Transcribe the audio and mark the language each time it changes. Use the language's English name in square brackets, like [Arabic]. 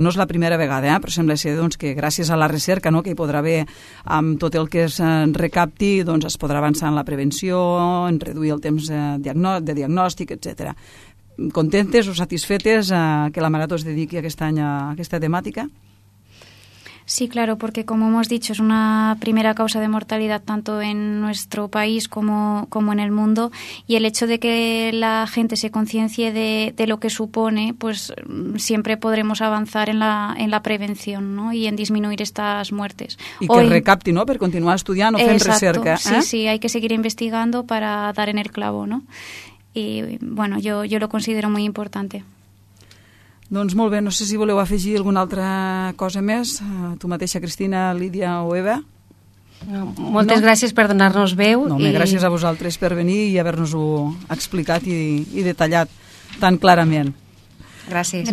[Catalan] No és la primera vegada, però sembla ser doncs, que gràcies a la recerca no, que hi podrà haver amb tot el que es recapti, doncs, es podrà avançar en la prevenció, en reduir el temps de diagnòstic, etc. Contentes o satisfetes que la Marató es dediqui aquest any a aquesta temàtica? [Spanish] Sí, claro, porque como hemos dicho, es una primera causa de mortalidad tanto en nuestro país como en el mundo, y el hecho de que la gente se conciencie de lo que supone, pues siempre podremos avanzar en la prevención, ¿no? Y en disminuir estas muertes. [Catalan] Y que recapti, ¿no? Per continuar estudiando, fent recerca. [Spanish] Exacto, sí, sí, hay que seguir investigando para dar en el clavo, ¿no? Y bueno, yo lo considero muy importante. [Catalan] Doncs molt bé, no sé si voleu afegir alguna altra cosa més, tu mateixa, Cristina, Lídia o Eva. No, moltes gràcies per donar-nos veu. No, i... gràcies a vosaltres per venir i haver-nos-ho explicat i detallat tan clarament. Gràcies.